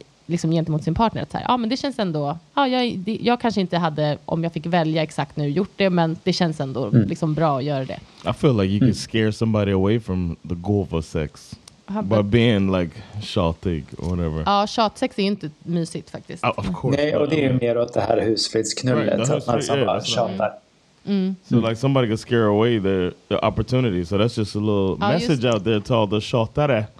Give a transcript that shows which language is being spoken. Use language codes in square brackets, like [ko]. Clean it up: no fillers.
[sv] Liksom gentemot sin partner. Att så här, men det känns ändå... Jag kanske inte hade, om jag fick välja exakt nu, gjort det. Men det känns ändå liksom bra att göra det. [en] I feel like you can scare somebody away from the goal for sex. By being like tjatig or whatever. [sv] Ja, tjatsex är ju inte mysigt faktiskt. [en] Oh, of course. [sv] Nej, och det är mer åt det här husfridsknullet. [en] Right, [sv] att man bara tjatar. [en] So like somebody could scare away the opportunity. So that's just a little message out there to all the tjatare.